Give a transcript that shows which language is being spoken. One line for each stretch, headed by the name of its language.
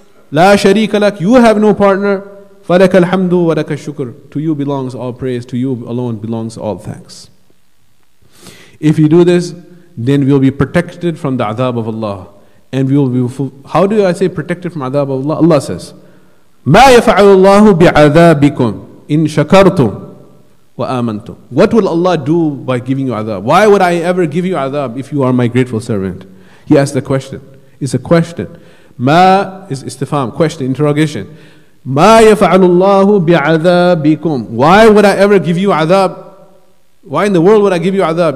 Arabic: La sharika lak,
English: you have no partner.
Arabic: Falaka alhamdu wa laka shukr,
English: to you belongs all praise, to you alone belongs all thanks. If you do this, then we'll be protected from the adab of Allah. And we will be how do I say protected from adab of Allah?
Arabic: Allah says, مَا يَفَعَلُ اللَّهُ بِعَذَابِكُمْ إِن شَكَرْتُمْ وَآمَنْتُمْ.
English: What will Allah do by giving you adab? Why would I ever give you adab if you are my grateful servant? He asked the question. It's a question. مَا is istifam, question, interrogation.
Arabic: مَا يَفَعَلُ اللَّهُ بِعَذَابِكُمْ.
English: Why would I ever give you adab? Why in the world would I give you adab?